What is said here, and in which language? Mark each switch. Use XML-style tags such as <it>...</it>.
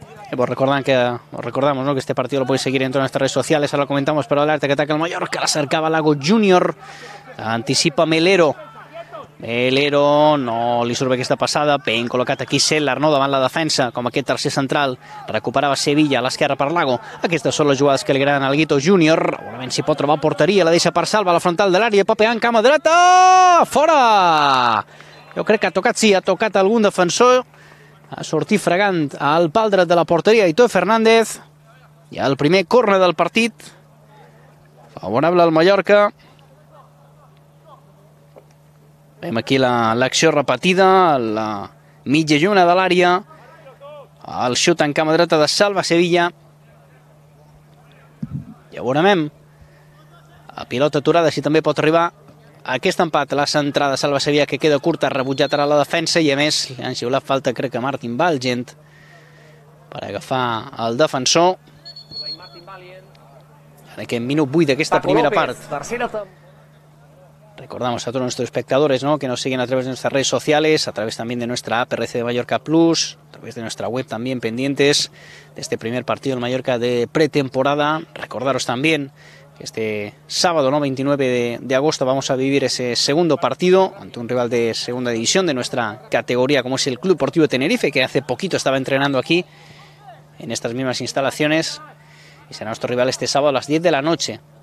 <es>Pues recordamos, ¿no?, que este partido lo podéis seguir en todas nuestras redes sociales. Ahora lo comentamos, pero el arte que ataca el Mallorca, la acercaba Lago Junior. Anticipa Melero.</es> <ca>Melero no li surt bé aquesta passada. Ben col·locat aquí Sellar, no, davant la defensa, com aquest tercer central. Recuperava Sevilla a l'esquerra per Lago. Aquestes són les jugades que li agraden al Guito Júnior. Segurament s'hi pot trobar porteria. La deixa per Salva a la frontal de l'àrea. Pope Anca, a dreta! Fora! Jo crec que ha tocat, sí, ha tocat algun defensor. Ha sortit fregant al pal dret de la porteria Aitor Fernández. I el primer corner del partit. Favorable al Mallorca. Veiem aquí l'acció repetida, la mitja lluna de l'àrea, el xut en cama dreta de Salva Sevilla. Ja veurem, a pilota aturada, si també pot arribar aquest empat. La centrada Salva Sevilla, que queda curta, rebutjat ara la defensa, i a més li han xiulat falta, crec que Martin Valgent, per agafar el defensor. En aquest minut 8 d'aquesta primera part.</ca> <es>Recordamos a todos nuestros espectadores, ¿no?, que nos siguen a través de nuestras redes sociales, a través también de nuestra app RC de Mallorca Plus, a través de nuestra web también, pendientes de este primer partido del Mallorca de pretemporada. Recordaros también que este sábado, ¿no?, 29 de agosto, vamos a vivir ese segundo partido ante un rival de segunda división de nuestra categoría, como es el Club Deportivo Tenerife, que hace poquito estaba entrenando aquí en estas mismas instalaciones, y será nuestro rival este sábado a las 10 de la noche.</es>